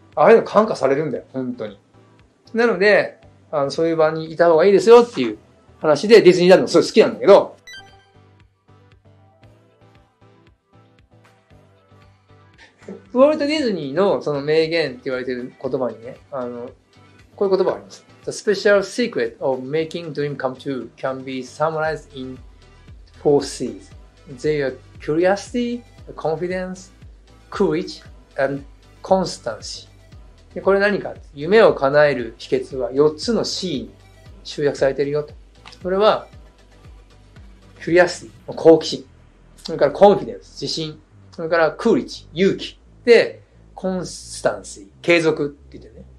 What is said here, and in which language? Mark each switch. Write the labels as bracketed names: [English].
[Japanese] ああいうの感化されるんだよ、本当に。なので、あのそういう場にいた方がいいですよっていう話で、ディズニーランドもすごい好きなんだけど。ウォルト・ディズニーのその名言って言われてる言葉にね、あの、こういう言葉があります。 [English] The special secret of making dream come true can be summarized in 4 C's. They are curiosity, confidence, courage, and constancy. [Japanese] で、これ何か？夢を叶える秘訣は4つの C に集約されているよと。これは、curiosity、好奇心。それから confidence、自信。それから courage、勇気。で、constancy、継続って言ってね。